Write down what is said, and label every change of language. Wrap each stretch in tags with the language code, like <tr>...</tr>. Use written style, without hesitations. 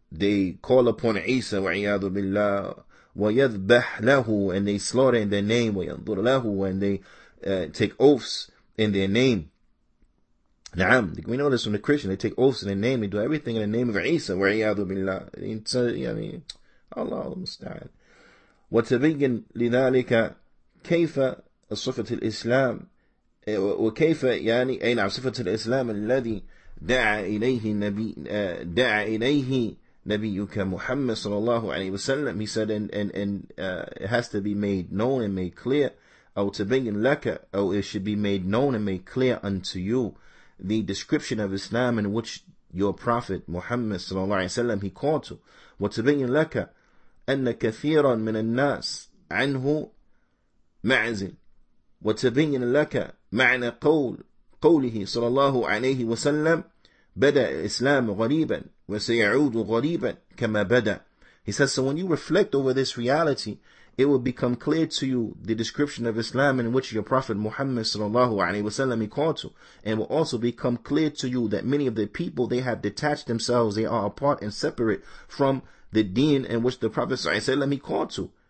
<en>They call upon Isa.</en> <ar>وَعِيَاذُ بِاللَّهِ. وَيَذْبَحْ لَهُ.</ar> <en>And they slaughter in their name.</en> <ar>وَيَنْظُرْ لَهُ.</ar> <en>And they take oaths in their name. نعم. We know this from the Christian. They take oaths in their name. They do everything in the name of Isa.</en> <ar>وَعِيَاذُ بِاللَّهِ. Allah المستعان. وتبين لذلك كيف صفة الإسلام وكيف يعني أين صفة الإسلام الذي دعا إليه نبيك محمد صلى الله عليه وسلم.</ar> <en>He said and it has to be made known and made clear.</en> <ar>أو تبين لك.</ar> <en>Or it should be made known and made clear unto you the description of Islam in which your prophet Muhammad صلى الله عليه وسلم he called to.</en> <ar>وتبين لك أن كثيرا من الناس عنه معزل وتبين لك معنى قوله صلى الله عليه وسلم بدأ الإسلام غريبا وسيعود غريبا كما بدأ.</ar> <en>He says, so when you reflect over this reality, it will become clear to you the description of Islam in which your Prophet Muhammad sallallahu alaihi wasallam he called to. And will also become clear to you that many of the people, they have detached themselves, they are apart and separate from the deen in which the Prophet sallallahu alaihi wasallam he called to.</en>